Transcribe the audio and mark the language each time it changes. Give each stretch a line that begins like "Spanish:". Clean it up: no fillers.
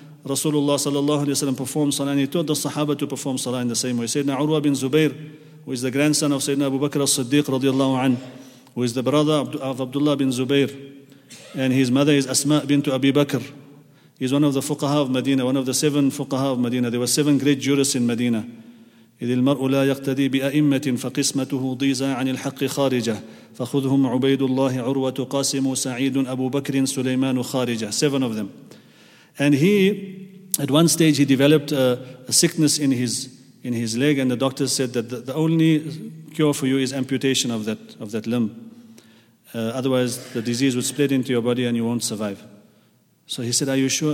English: Rasulullah sallallahu alaihi wasallam performed salah, and he taught the sahaba to perform salah in the same way. Sayyidina Urwa bin Zubair, who is the grandson of Sayyidina Abu Bakr as-Siddiq radiallahu an, who is the brother of Abdullah bin Zubair, and his mother is Asma bint Abi Bakr. He's one of the fuqaha of Medina, one of the seven fuqaha of Medina. There were seven great jurists in Medina.
Arabic: إذ المرء لا يقتدي بأئمة فقسمته ضيزى عن الحق خارجة فخذهم عبيد الله عروة قاسم سعيد أبو بكر سليمان خارجة.
English: Seven of them. And he, at one stage, he developed a sickness in his leg, and the doctor said that the only cure for you is amputation of that limb. Otherwise, the disease would spread into your body and you won't survive. So he said, are you sure?